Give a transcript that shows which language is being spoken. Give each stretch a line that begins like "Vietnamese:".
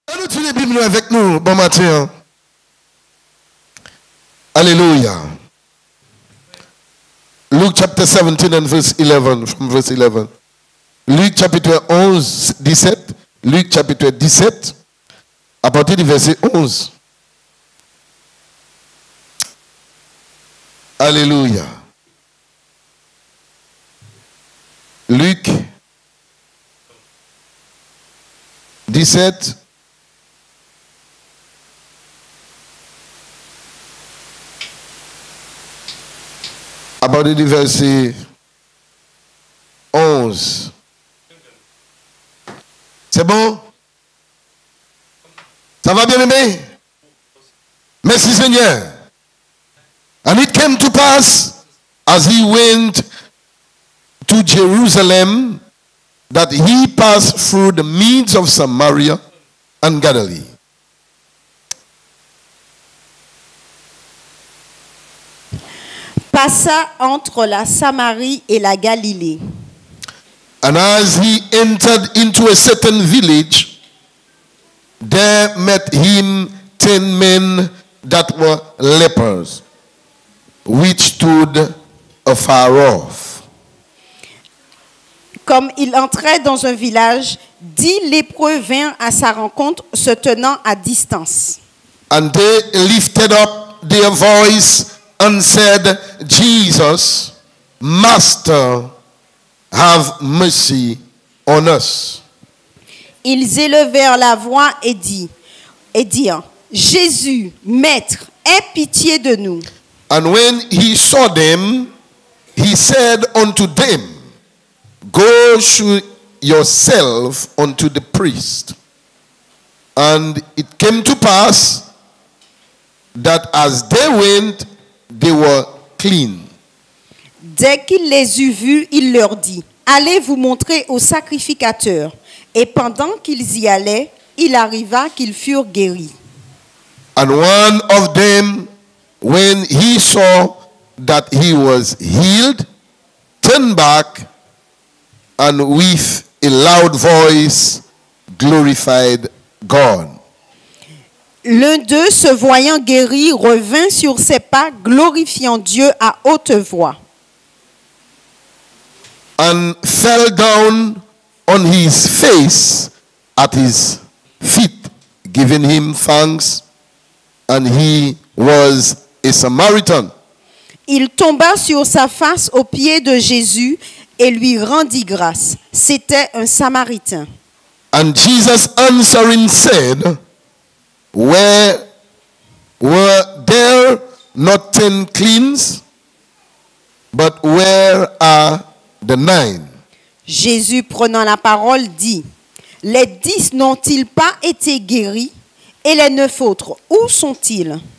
French: Tous les bibles avec nous, bon matin. Alléluia.
English: Luke chapter 17 and verse 11, from verse 11.
French: Luke chapitre 11, 17. Luke chapitre 17, à partir du verset 11. Alléluia. Luke 17. À partir du verset 11. C'est bon? Ça va bien aimé? Merci Seigneur.
English: And it came to pass, as he went to Jerusalem, that he passed through the midst of Samaria and Galilee.
French: Passa entre la Samarie et la Galilée.
English: And as he entered into a certain village, there met him 10 men that were lepers, which stood afar off.
French: Comme il entrait dans un village, 10 lépreux vinrent à sa rencontre, se tenant à distance.
English: And they lifted up their voice and said, Jesus, Master, have mercy on us.
French: Ils élevèrent la voix et dirent, Jésus, Maître, aie pitié de nous.
English: And when he saw them, he said unto them, Go show yourself unto the priest. And it came to pass that as they went, they were clean.
French: Dès qu'il les eut vus, il leur dit, Allez vous montrer au sacrificateur. Et pendant qu'ils y allaient, il arriva qu'ils furent guéris.
English: And one of them, when he saw that he was healed, turned back and with a loud voice glorified God.
French: L'un d'eux, se voyant guéri, revint sur ses pas, glorifiant Dieu à haute voix.
English: And fell down on his face at his feet, giving him thanks, and he was a Samaritan.
French: Il tomba sur sa face aux pieds de Jésus et lui rendit grâce. C'était un Samaritain.
English: And Jesus answering said, Were there not 10 cleans, but where are the 9?
French: Jésus prenant la parole dit, Les 10 n'ont-ils pas été guéris, et les 9 autres, où sont-ils?